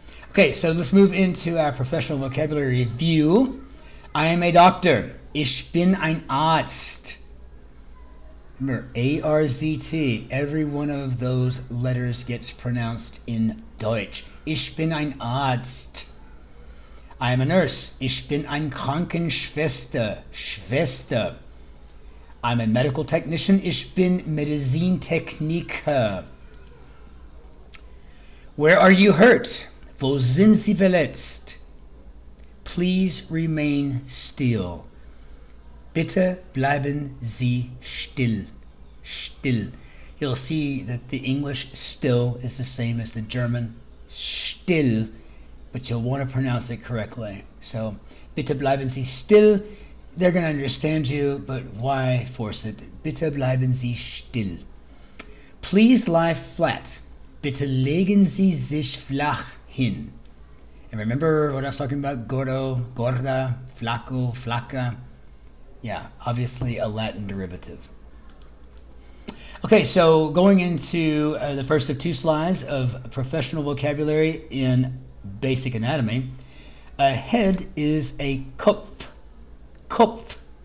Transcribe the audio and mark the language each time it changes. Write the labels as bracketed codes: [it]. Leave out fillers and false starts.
[en] Okay, so let's move into our professional vocabulary review. I am a doctor. [de] Ich bin ein Arzt. [en] Remember, A-R-Z-T, every one of those letters gets pronounced in Deutsch. [de] Ich bin ein Arzt. [en] I am a nurse. [de] Ich bin ein Krankenschwester. Schwester. [en] I'm a medical technician. [de] Ich bin Medizintechniker. [en] Where are you hurt? [de] Wo sind Sie verletzt? [en] Please remain still. [de] Bitte bleiben Sie still. Still. [en] You'll see that the English still is the same as the German still, but you'll want to pronounce it correctly. [de] So, bitte bleiben Sie still. [en] They're going to understand you, but why force it? [de] Bitte bleiben Sie still. [en] Please lie flat. [de] Bitte legen Sie sich flach hin. [en] And remember what I was talking about? [es] Gordo, gorda, flaco, flaca. [en] Yeah, obviously a Latin derivative. Okay, so going into the first of two slides of professional vocabulary in basic anatomy, a head is a Kopf. Kopf.